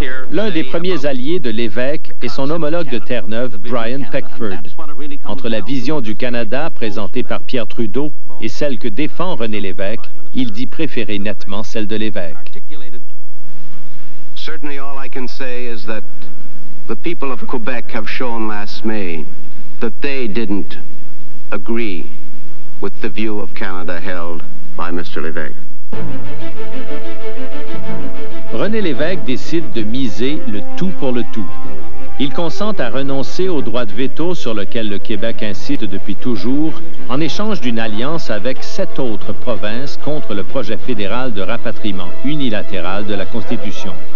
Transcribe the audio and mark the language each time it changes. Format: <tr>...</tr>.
<fr>L'un des premiers alliés de Lévesque est son homologue de Terre-Neuve, Brian Peckford. Entre la vision du Canada présentée par Pierre Trudeau et celle que défend René Lévesque, il dit préférer nettement celle de Lévesque.</fr> <en>Certainly, all I can say is that the people of Quebec have shown last May that they didn't agree with the view of Canada held by Mr. Lévesque.</en> <fr>René Lévesque décide de miser le tout pour le tout. Il consent à renoncer au droit de veto sur lequel le Québec incite depuis toujours en échange d'une alliance avec 7 autres provinces contre le projet fédéral de rapatriement unilatéral de la Constitution.</fr>